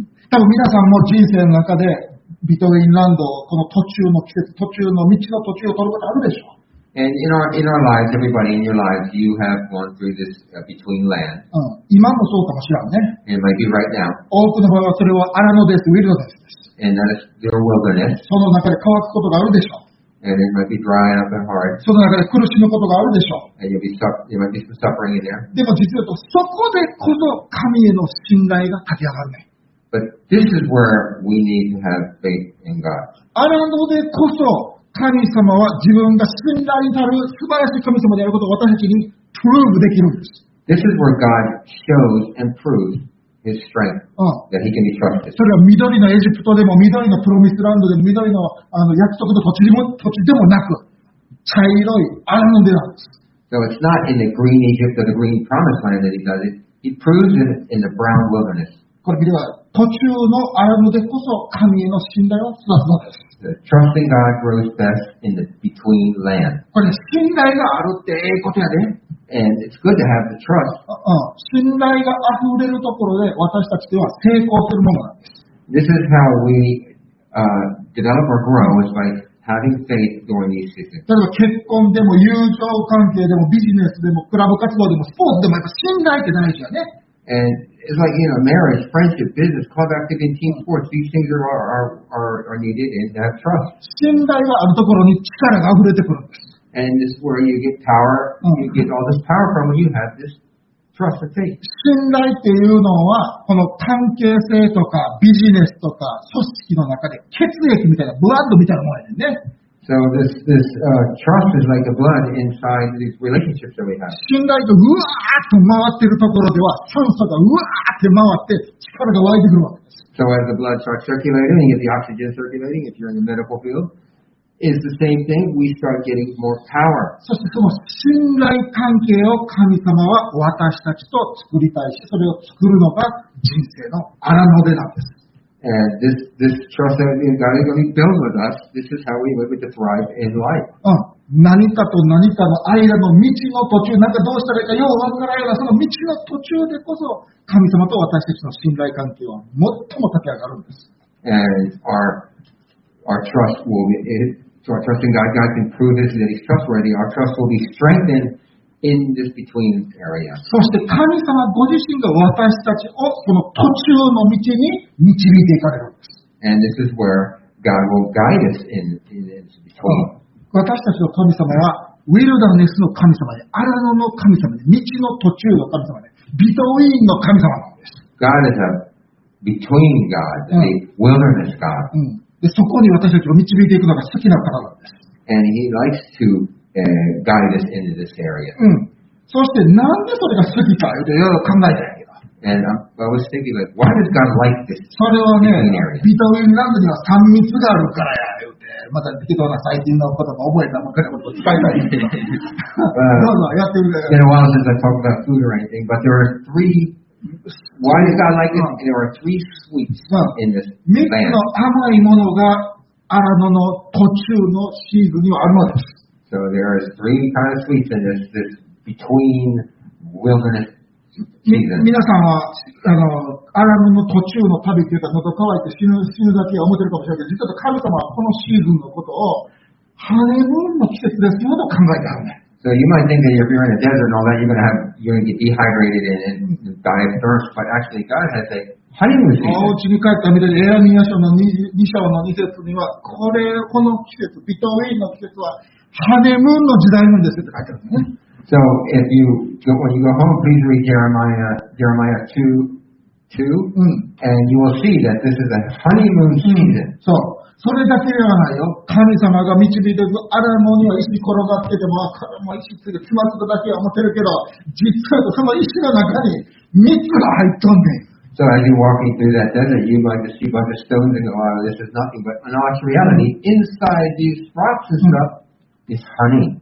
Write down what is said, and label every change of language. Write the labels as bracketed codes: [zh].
[ja] 多分皆さんも人生の中でビトウィンランドこの途中の季節、途中の道の途中を取ることあるでしょ？ [en] And in our lives, everybody in your lives, you have gone through this between land. [ja] 今もそうかもしれないね。 [en] It might be right now. [ja] 多くの場合はそれはアラノです、ウィルドネスです。 [en] And that is your wilderness. [ja] その中で乾くことがあるでしょ？ [en] And it might be dry up and hard. [ja] その中で苦しむことがあるでしょう。 [en] And you'll be you might be suffering in there. [ja] でも実はそこでこそ神への信頼が立ち上がるね。 [en] But this is where we need to have faith in God. [ja] アラノでこそ神様は自分が信頼になる素晴らしい神様であることを私たちにプローブできるんです。 [en] This is where God shows and proves his strength. That he can be trusted. [ja] それは緑のエジプトでも緑のプロミスランドでも緑の、あの約束の土地でも、土地でもなく茶色いアラノでなんです。 [en] So it's not in the green Egypt or the green promised land that he does it. He proves it in the brown wilderness. [ja] これ見れば途中のアラノでこそ神への信頼を育つのです。 [en] The trusting God grows best in the between land. [ja] これ信頼があるっていいことやで。 [en] And it's good to have the trust. [ja] 信頼があふれるところで私たちでは成功するものなんです。 [en] This is how we develop or grow is by having faith during these seasons. [ja] 例えば結婚でも友情関係でもビジネスでもクラブ活動でもスポーツでもやっぱ信頼って大事やね。 [en] And it's like you know, marriage, friendship, business, club activity, team sports. These things are needed and have trust. [ja] 信頼があるところに力が溢れてくるんです。 [en] And this is where you get power. You get all this power from when you have this trust and faith. [ja] 信頼っていうのはこの関係性とかビジネスとか組織の中で血液みたいなブランドみたいなものやね。 [en] So this trust is like the blood inside these relationships that we have. [ja] 信頼がうわーっと回ってるところでは、酸素がうわーって回って力が湧いてくるわけです。 [en] So as the blood starts circulating, you get the oxygen circulating if you're in the medical field, is the same thing, we start getting more power. [ja] そしてその信頼関係を神様は私たちと作りたいし、それを作るのが人生の荒野でなんです。 [en] And this trust that we've got to be built with us, this is how we live to thrive in life. [ja] 何かと何かの間の道の途中、なんかどうしたらいいかようわからないような、その道の途中でこそ、神様と私たちの信頼関係は最も立ち上がるんです。 [en] And our trust in God can prove that he's trustworthy. Our trust will be strengthened. In this between area. [ja] そして神様ご自身が私たちをこの途中の道に導いていかれるんです。 [en] And this is where God will guide us in this between. [ja] 私たちの神様はウィルダネスの神様で、アラノの神様で、道の途中の神様で、ビトウィーンの神様なんです。 [en] God is a between God, a wilderness God. [ja] で、そこに私たちを導いていくのが好きな方なんです。 [en] And he likes to. Guide us into this area. [ja] そしてなんでそれが好きかというのを考えてみよう。 [en] And I was thinking like, why does God like this? [ja] それはね、ビトウィンランドには三密があるからや、言うて、また適当な最近のことも覚えたばかりのことを伝えたいんですけど。どうぞ、やってみてください [en] It's been a while since I talked about food or anything, but there are three. Why does God like this? There are three sweets in this land. [ja] 三つの甘いものがアラノの途中のシーズンにはあるのです。 [en] So there are three kinds of sweets in this between wilderness season. [ja] 皆さんはアラノの途中の旅って言ったら喉乾いて死ぬだけは思ってるかもしれないけど、実は神様はこのシーズンのことをハネムーンの季節ですよと考えてあるね。 [en] So you might think that if you're in a desert and all that, you're going to get dehydrated and die of thirst, but actually God has a honeymoon season. [ja] お家に帰ったみたいで、エレミア書の2章の2節には、この季節、ビトウィーンの季節は、ハネムーンの時代なんですって書いてあるんですね。 [en] So if you go, when you go home, please read Jeremiah 2:2, and you will see that this is a honeymoon season. [ja] そう、それだけではないよ。神様が導いてるアラモには石転がってても、もう石ついてつまずくだけは思ってるけど、実はその石の中に蜜が入っとんねん。 [en] So as you're walking through that desert, you might just see a bunch of stones and go, oh, this is nothing but an arch reality. Inside these rocks and stuff, is honey.